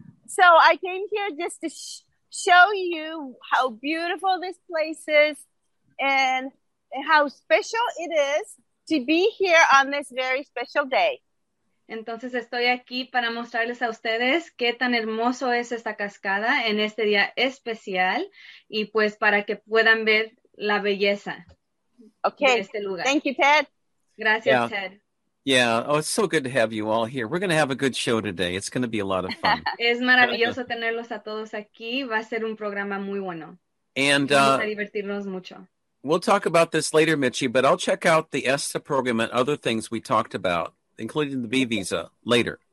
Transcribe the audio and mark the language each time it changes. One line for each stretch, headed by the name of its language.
English: So I came here just to show you how beautiful this place is and how special it is to be here on this very special day.
Spanish: Entonces estoy aquí para mostrarles a ustedes qué tan hermoso es esta cascada en este día especial, y pues para que puedan ver la belleza de este lugar.
English: Thank you, Ted.
Spanish: Gracias, Ted.
English: Yeah, oh, it's so good to have you all here. We're going to have a good show today. It's going to be a lot of fun.
Spanish: Es maravilloso tenerlos a todos aquí. Va a ser un programa muy bueno.
English: And
Spanish: vamos a divertirnos mucho.
English: We'll talk about this later, Michi, but I'll check out the ESTA program and other things we talked about, including the B visa later.